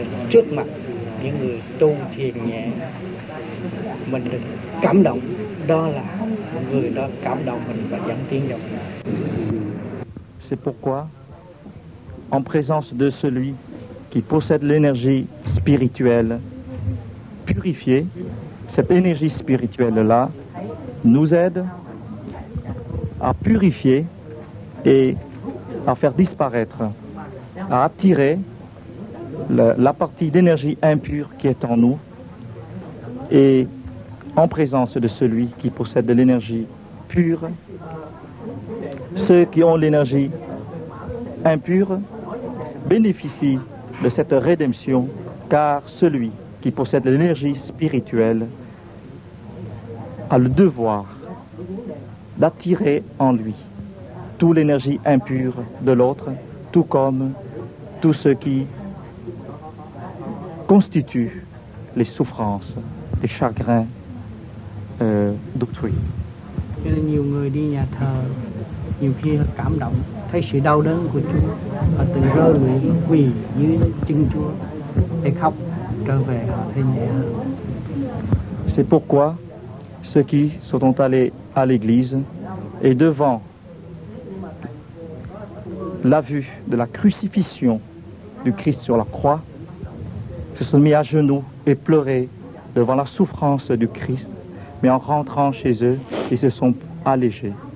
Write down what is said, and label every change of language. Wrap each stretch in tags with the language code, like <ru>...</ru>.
<vi>Trước mặt những người tu thiền nhẹ, mình được cảm động, đó là người đó cảm động mình và dẫn tiến vào.</vi> <fr>C'est pourquoi, en présence de celui qui possède l'énergie spirituelle purifiée, cette énergie spirituelle-là nous aide à purifier et à faire disparaître, à attirer la partie d'énergie impure qui est en nous. Et en présence de celui qui possède de l'énergie pure, ceux qui ont l'énergie impure bénéficient de cette rédemption, car celui qui possède l'énergie spirituelle a le devoir d'attirer en lui toute l'énergie impure de l'autre, tout comme tout ce qui constitue les souffrances, les chagrins d'autrui.</fr> <vi>Cho nên nhiều người đi nhà thờ, nhiều khi họ cảm động, thấy sự đau đớn của Chúa, họ tự rơi lệ quỳ dưới chân Chúa để khóc, trở về họ thấy nhẹ hơn.</vi> <fr>C'est pourquoi ceux qui sont allés à l'église et devant la vue de la crucifixion du Christ sur la croix se sont mis à genoux et pleuraient devant la souffrance du Christ, mais en rentrant chez eux ils se sont allégés.</fr>